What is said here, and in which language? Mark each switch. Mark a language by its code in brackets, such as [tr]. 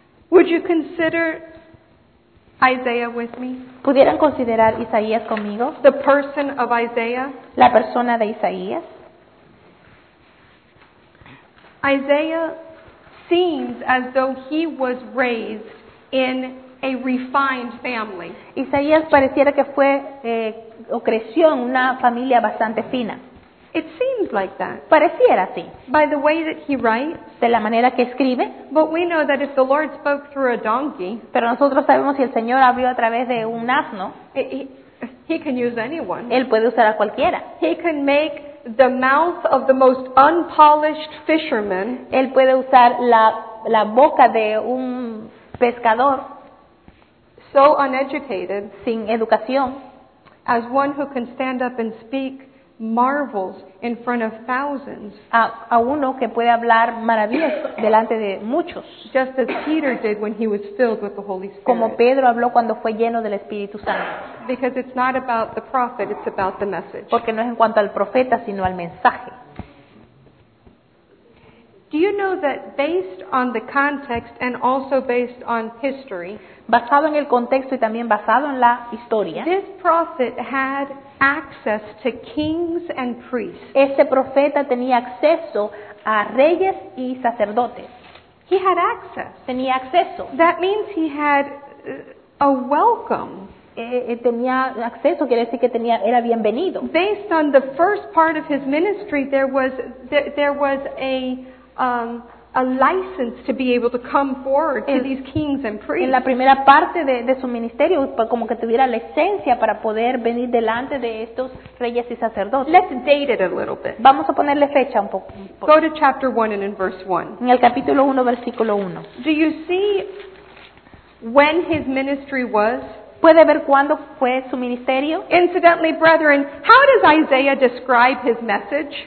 [en] Would you consider Isaiah with me? [es] ¿Pudieran considerar Isaías conmigo? [en] The person of Isaiah? [es] La persona de Isaías. [en] Isaiah seems as though he was raised in a refined family. [es] Isaías pareciera que fue o creció en una familia bastante fina. [en] It seems like that. [es] Pareciera así. [en] By the way that he writes, [es] de la manera que escribe. [en] But we know that if the Lord spoke through a donkey, [es] pero nosotros sabemos si el Señor habló a través de un asno, [en] he can use anyone. [es] Él puede usar a cualquiera. [en] He can make the mouth of the most unpolished fisherman. [es] Él puede usar la boca de un pescador [en] so uneducated, [es] sin educación, [en] as one who can stand up and speak marvels in front of thousands. [es] A uno que puede hablar maravillas delante de muchos. [en] Just as Peter did when he was filled with the Holy Spirit. [es] Como Pedro habló cuando fue lleno del Espíritu Santo. [en] Because it's not about the prophet, it's about the message. [es] Porque no es en cuanto al profeta, sino al mensaje. [en] Do you know that based on the context and also based on history, [es] basado en el contexto y también basado en la historia, [en] this prophet had access to kings and priests. [es] Este profeta tenía acceso a reyes y sacerdotes. [en] He had access. [es] Tenía acceso. [en] That means he had a welcome. [es] Tenía acceso, quiere decir que tenía, era bienvenido. [en] Based on the first part of his ministry, there was a license to be able to come forward to these kings and priests. [es] En la primera parte de su ministerio, como que tuviera licencia para poder venir delante de estos reyes y sacerdotes. [en] Let's date it a little bit. [es] Vamos a ponerle fecha un poco. [en] Go to chapter 1 and in verse 1. [es] En el capítulo 1, versículo 1. [en] Do you see when his ministry was? [es] ¿Puede ver cuándo fue su ministerio? [en] Incidentally, brethren, how does Isaiah describe his message?